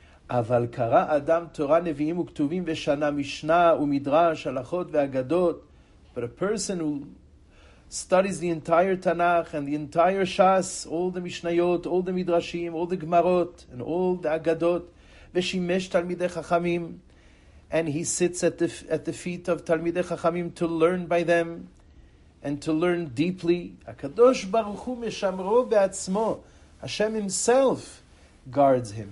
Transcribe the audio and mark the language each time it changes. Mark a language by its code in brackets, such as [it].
[he] אבל קרא אדם תורה נביאים וכתובים ושנה משנה ומדרש הלכות ואגדות. [en] But a person who studies the entire Tanakh and the entire Shas, all the Mishnayot, all the Midrashim, all the Gemarot, and all the Agadot, [he] ושימש תלמידי חכמים, [en] and he sits at the feet of תלמידי חכמים to learn by them and to learn deeply. [he] הקדוש ברוך הוא משמרו בעצמו, [en] Hashem himself guards him.